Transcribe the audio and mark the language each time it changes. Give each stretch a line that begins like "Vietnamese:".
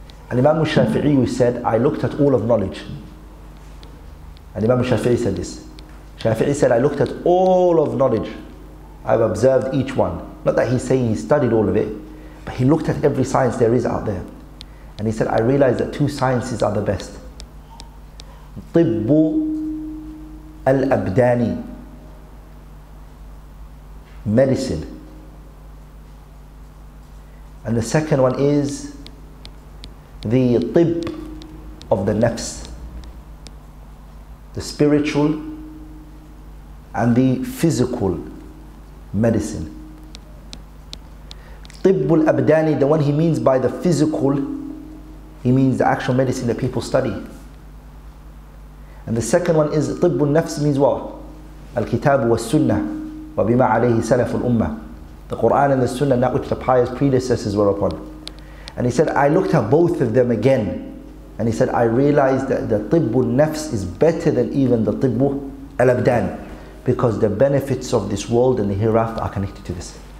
English: And Imam al-Shafi'i said, I looked at all of knowledge. And Imam al-Shafi'i said this. Shafi'i said, I looked at all of knowledge. I've observed each one. Not that he's saying he studied all of it, but he looked at every science there is out there. And he said, I realize that two sciences are the best.
Arabic: طب الأبدان,
English: medicine. And the second one is the طب of the nafs, the spiritual and the physical medicine.
Arabic: طب الأبدان,
English: the one he means by the physical, he means the actual medicine that people study. And the second one is
Arabic: طب النفس
English: means what?
Arabic: الكتاب والسنة وبما عليه سلف الأمة.
English: The Quran and the Sunnah, not which the pious predecessors were upon. And he said, I looked at both of them again. And he said, I realized that the
Arabic: طب النفس
English: is better than even the
Arabic: طب الأبدان.
English: Because the benefits of this world and the hereafter are connected to this.